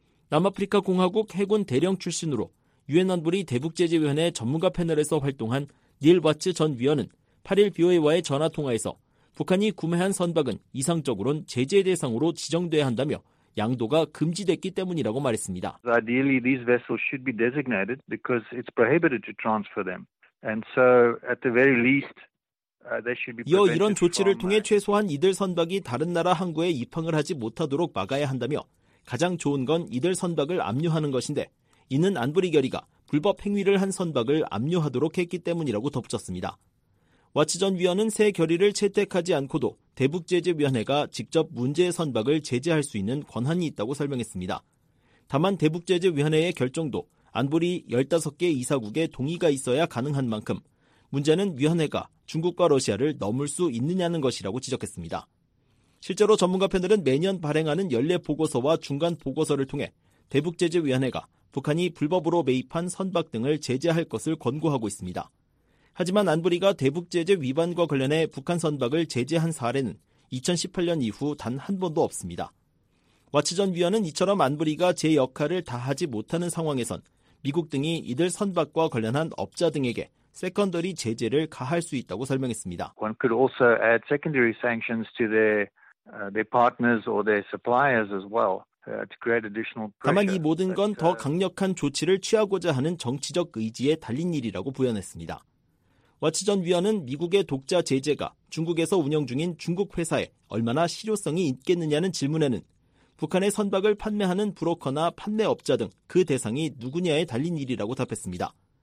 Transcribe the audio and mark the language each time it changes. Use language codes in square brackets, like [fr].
[ko] 남아프리카 공화국 해군 대령 출신으로 유엔 안보리 대북제재위원회 전문가 패널에서 활동한 닐 왓츠 전 위원은 8일 BOA와의 전화통화에서 북한이 구매한 선박은 이상적으로는 제재 대상으로 지정돼야 한다며 양도가 금지됐기 때문이라고 말했습니다. [en] Ideally, these vessels should be designated because it's prohibited to transfer them. And so, at the very least, they should be. [ko] 이어 이런 조치를 통해 최소한 이들 선박이 다른 나라 항구에 입항을 하지 못하도록 막아야 한다며 가장 좋은 건 이들 선박을 압류하는 것인데 이는 안보리 결의가 불법 행위를 한 선박을 압류하도록 했기 때문이라고 덧붙였습니다. 와츠 전 위원은 새 결의를 채택하지 않고도 대북제재위원회가 직접 문제의 선박을 제재할 수 있는 권한이 있다고 설명했습니다. 다만 대북제재위원회의 결정도 안보리 15개 이사국의 동의가 있어야 가능한 만큼 문제는 위원회가 중국과 러시아를 넘을 수 있느냐는 것이라고 지적했습니다. 실제로 전문가 패널은 매년 발행하는 연례 보고서와 중간 보고서를 통해 대북제재위원회가 북한이 불법으로 매입한 선박 등을 제재할 것을 권고하고 있습니다. 하지만 안보리가 대북 제재 위반과 관련해 북한 선박을 제재한 사례는 2018년 이후 단 한 번도 없습니다. 와츠 전 위원은 이처럼 안보리가 제 역할을 다하지 못하는 상황에선 미국 등이 이들 선박과 관련한 업자 등에게 세컨더리 제재를 가할 수 있다고 설명했습니다. [en] One could also add secondary sanctions to their partners or their suppliers as well. [ko] 다만 이 모든 건 더 강력한 조치를 취하고자 하는 정치적 의지에 달린 일이라고 부연했습니다. 와츠 전 위원은 미국의 독자 제재가 중국에서 운영 중인 중국 회사에 얼마나 실효성이 있겠느냐는 질문에는 북한의 선박을 판매하는 브로커나 판매업자 등 그 대상이 누구냐에 달린 일이라고 답했습니다.